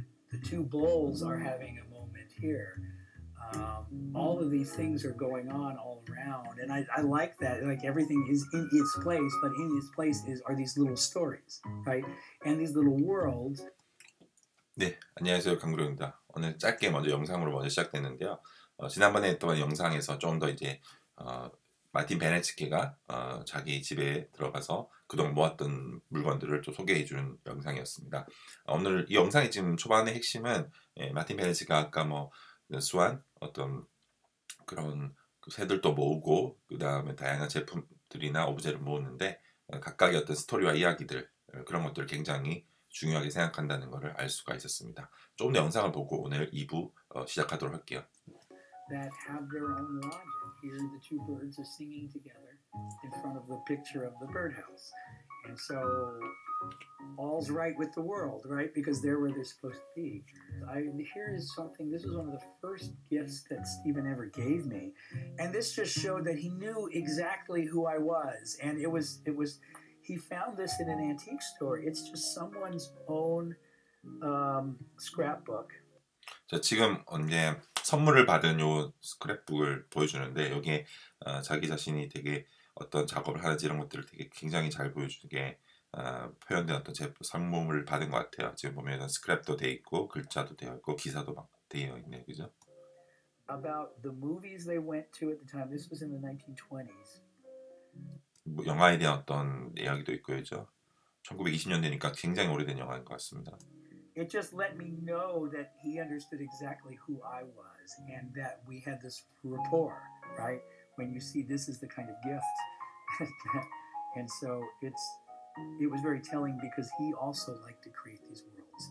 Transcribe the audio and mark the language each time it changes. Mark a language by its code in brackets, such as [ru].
[en] The two bulls are having a moment here. All of these things are going on all around. And I like that, like everything is in its place, but in its place are these little stories, right? And these little worlds. [ko] 네, 안녕하세요. 강구룡입니다. 오늘 짧게 먼저 영상으로 먼저 시작됐는데요. 지난번에 했던 영상에서 좀 더 이제 마틴 베네츠케가 자기 집에 들어가서 그동안 모았던 물건들을 또 소개해 주는 영상이었습니다. 오늘 이 영상의 지금 초반의 핵심은 마틴 베네츠케가 아까 뭐 수완 어떤 그런 새들도 모으고 그 다음에 다양한 제품들이나 오브제를 모으는데 각각의 어떤 스토리와 이야기들 그런 것들을 굉장히 중요하게 생각한다는 것을 알 수가 있었습니다. 좀 더 영상을 보고 오늘 2부 시작하도록 할게요. [en] That have their own logic. Here the two birds are singing together in front of the picture of the birdhouse. And so all's right with the world, right? Because they're where they're supposed to be. Here is something, this was one of the first gifts that Stephen ever gave me. And this just showed that he knew exactly who I was. And it was, he found this in an antique store. It's just someone's own scrapbook. [ko] 자, 지금 언제 선물을 받은 요 스크랩북을 보여주는데 여기에 자기 자신이 되게 어떤 작업을 하는지 이런 것들을 되게 굉장히 잘 보여주게 표현된 어떤 선물을 받은 것 같아요. 지금 보면 스크랩도 돼 있고 글자도 되어 있고 기사도 막 되어 있네요. 그죠? [en] About the movies they went to at the time. This was in the 1920s. [ko] 뭐 영화에 대한 어떤 이야기도 있고요. 그죠? 1920년대니까 굉장히 오래된 영화인 것 같습니다. [en] It just let me know that he understood exactly who I was and that we had this rapport, right? When you see this is the kind of gift. And so it was very telling because he also liked to create these worlds.